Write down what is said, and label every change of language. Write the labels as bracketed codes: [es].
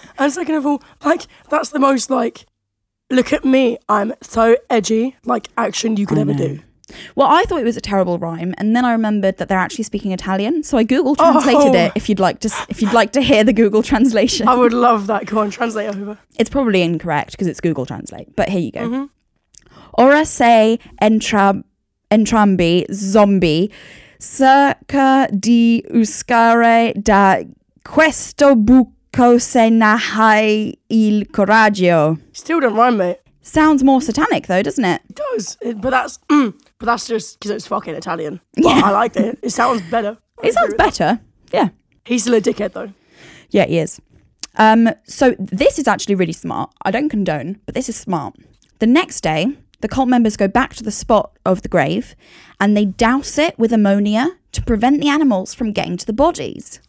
[en] And second of all, like, that's the most, like, look at me, I'm so edgy, like, action you could ever do. Well, I thought it was a terrible rhyme, and then I remembered that they're actually speaking Italian, so I Google translated it, if you'd like to hear the Google translation. I would love that. Go on, translate over. It's probably incorrect, because it's Google Translate, but here you go. Mm-hmm. [it] Ora sei entrambi zombie, cerca di uscire da questo buco se ne hai il coraggio. [en] Still don't rhyme, mate. Sounds more satanic, though, doesn't it? It does, but that's just because it's fucking Italian. Yeah. I like it. It sounds better. Yeah. He's still a dickhead, though. Yeah, he is. So this is actually really smart. I don't condone, but this is smart. The next day, the cult members go back to the spot of the grave and they douse it with ammonia to prevent the animals from getting to the bodies.